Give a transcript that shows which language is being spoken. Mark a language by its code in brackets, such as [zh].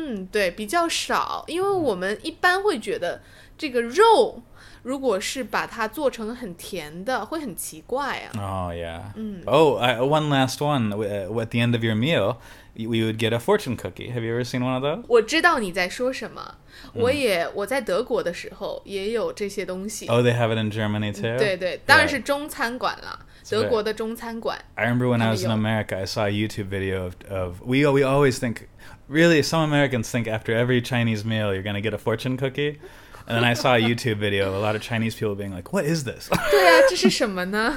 [zh] 对,比较少,因为我们一般会觉得这个肉如果是把它做成很甜的会很奇怪啊。 [en] Oh, yeah. One last one. At the end of your meal, we would get a fortune cookie. Have you ever seen one of those? [zh] 我知道你在说什么。我在德国的时候也有这些东西。 [en] Oh, they have it in Germany too? [zh] 对对,当然是中餐馆了。德国的中餐馆。 [en] I remember when I was in America, I saw a YouTube video of we always think, really, some Americans think after every Chinese meal, you're going to get a fortune cookie. And then I saw a YouTube video of a lot of Chinese people being like, what is this? [zh] 对啊,这是什么呢?